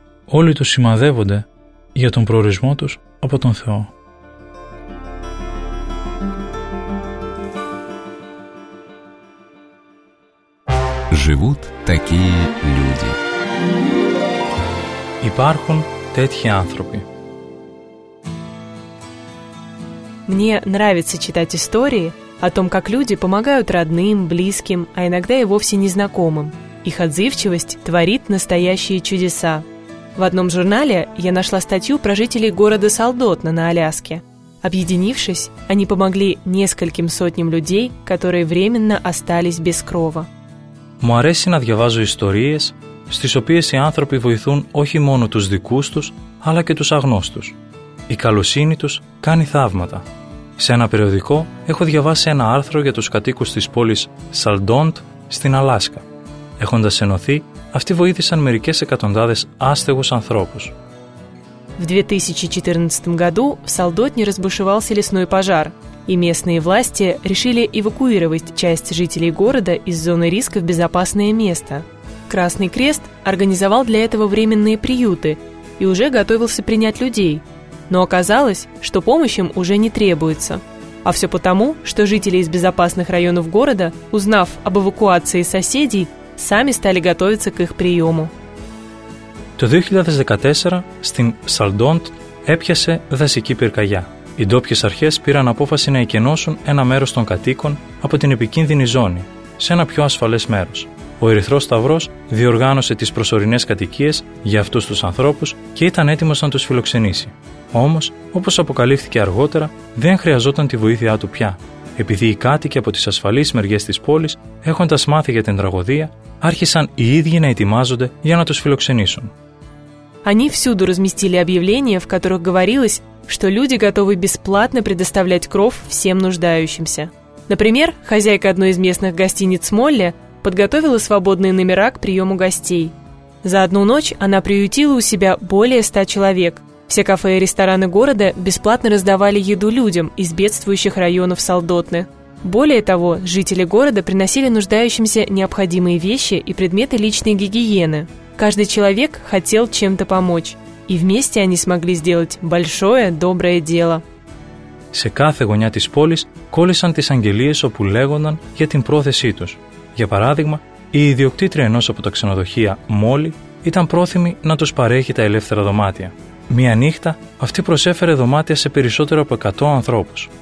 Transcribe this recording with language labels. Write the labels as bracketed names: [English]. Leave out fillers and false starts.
[Greek] Όλοι τους σημαδεύονται για τον προορισμό τους από τον Θεό». [Russian] Живут такие люди. [Greek] Υπάρχουν τέτοιοι άνθρωποι. [Russian] Мне нравится читать истории о том, как люди помогают родным, близким, а иногда и вовсе незнакомым. Их отзывчивость творит настоящие чудеса. В одном журнале я нашла статью про жителей города Салдотна на Аляске. Объединившись, они помогли нескольким сотням людей, которые временно остались без крова. [Greek] Μου αρέσει να διαβάζω ιστορίες, στις οποίες οι άνθρωποι βοηθούν όχι μόνο τους δικούς τους, αλλά και τους αγνώστους. Η καλοσύνη τους κάνει θαύματα. Σε ένα περιοδικό έχω διαβάσει ένα άρθρο για τους κατοίκους της πόλης Σαλντόντ στην Αλάσκα. Έχοντας ενωθεί, αυτοί βοήθησαν μερικές εκατοντάδες άστεγους ανθρώπους. [Russian] В 2014 году в Салдотне разбушевался лесной пожар. и местные власти решили эвакуировать часть жителей города из зоны риска в безопасное место. Красный Крест организовал для этого временные приюты и уже готовился принять людей. Но оказалось, что помощь им уже не требуется. А все потому, что жители из безопасных районов города, узнав об эвакуации соседей, сами стали готовиться к их приему. [Greek] Το 2014 στην Σαλντόντ έπιασε δασική πυρκαγιά. Οι ντόπιες αρχές πήραν απόφαση να εκενώσουν ένα μέρος των κατοίκων από την επικίνδυνη ζώνη σε ένα πιο ασφαλές μέρος. Ο Ερυθρός Σταυρός διοργάνωσε τις προσωρινές κατοικίες για αυτούς τους ανθρώπους και ήταν έτοιμος να τους φιλοξενήσει. Όμως, όπως αποκαλύφθηκε αργότερα, δεν χρειαζόταν τη βοήθειά του πια, επειδή οι κάτοικοι από τις ασφαλείς μεριές της πόλης, έχοντας μάθει για την τραγωδία, άρχισαν οι ίδιοι να ετοιμάζονται για να τους φιλοξενήσουν. [Russian] Они всюду разместили объявления, в которых говорилось, что люди готовы бесплатно предоставлять кров всем нуждающимся. Например, хозяйка одной из местных гостиниц Молли подготовила свободные номера к приему гостей. За одну ночь она приютила у себя более 100 человек. Все кафе и рестораны города бесплатно раздавали еду людям из бедствующих районов Салдотны. Более того, жители города приносили нуждающимся необходимые вещи и предметы личной гигиены. Каждый человек хотел чем-то помочь, и вместе они смогли сделать большое доброе дело. [Greek] Σε κάθε γωνιά της πόλης κόλλησαν τις αγγελίες όπου λέγονταν για την πρόθεσή τους. Για παράδειγμα, η ιδιοκτήτρια ενός από τα ξενοδοχεία, Μόλι, ήταν πρόθυμη να τους παρέχει τα ελεύθερα δωμάτια. Μία νύχτα, αυτή προσέφερε δωμάτια σε περισσότερο από 100 ανθρώπους.